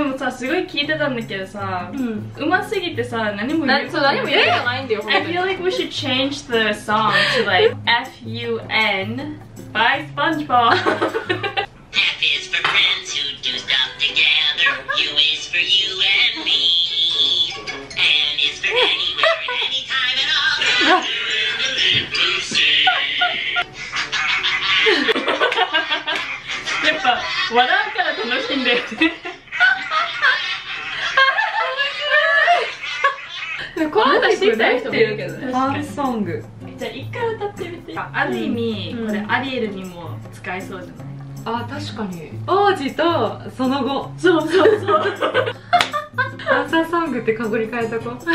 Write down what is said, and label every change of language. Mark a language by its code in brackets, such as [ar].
[ja] すごい聞いてたんだけどさ、うん、上手すぎてさ、何も言うことないんだよ、ほんとに。 [en] I feel like we should change the song to like F-U-N by SpongeBob F is for friends who do stuff together U is for you and me N is for anywhere at any time at all [ja] やっぱ、笑うから楽しんでるこの歌知りたい人いるけどね。ファンソング。じゃあ一回歌ってみて。ある意味、うん、これアリエルにも使えそうじゃない？あ、確かに。王子とその後。そうそうそう。ファンサーソングってかぶり替えた子。